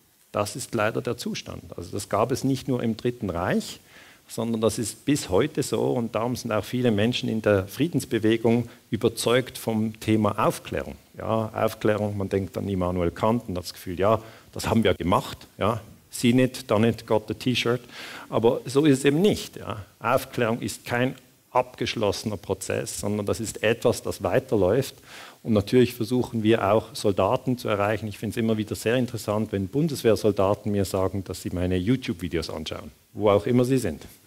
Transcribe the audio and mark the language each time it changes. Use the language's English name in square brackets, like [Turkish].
[German] Das ist leider der Zustand. Also das gab es nicht nur im Dritten Reich, sondern das ist bis heute so. Und darum sind auch viele Menschen in der Friedensbewegung überzeugt vom Thema Aufklärung. Ja, Aufklärung, man denkt an Immanuel Kant und hat das Gefühl, ja, das haben wir gemacht. Ja. [English] See it, done it, got the T-Shirt. [German] Aber so ist es eben nicht. Ja. Aufklärung ist kein abgeschlossener Prozess, sondern das ist etwas, das weiterläuft. Und natürlich versuchen wir auch, Soldaten zu erreichen. Ich finde es immer wieder sehr interessant, wenn Bundeswehrsoldaten mir sagen, dass sie meine YouTube-Videos anschauen, wo auch immer sie sind.